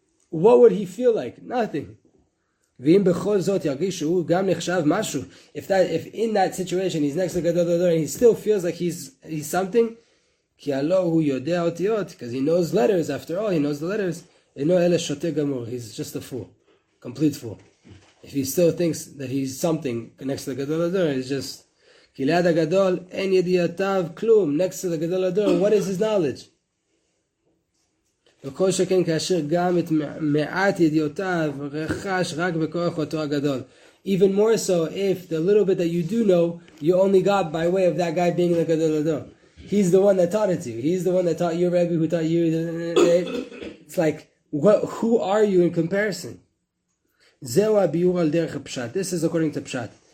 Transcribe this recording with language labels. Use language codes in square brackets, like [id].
[en] What would he feel like? Nothing. [he] ואם בכל זאת ירגיש שהוא גם נחשב משהו, [en] if in that situation he's next to Gadol Ador and he still feels like he's something, [he] כי הלא הוא יודע אותיות, [en] because he knows letters, after all, he knows the letters, [he] אינו אלה שוטה גמור, [en] he's just a fool, complete fool. If he still thinks that he's something next to the Gadol Ador, it's just, [he] כי ליד הגדול אין ידיעתיו כלום, [en] next to the Gadol Ador, what is his knowledge? [he] וכל שכן כאשר גם את מעט ידיעותיו רכש רק בכוח אותו הגדול. [en] Even more so, if the little bit that you do know, you only got by way of that guy being the Gadol Ador. He's the one that taught it to you. He's the one that taught your Rebbe who taught you. It's like, who are you in comparison? [he] זהו הביור על דרך הפשט. [en] This is according to פשט.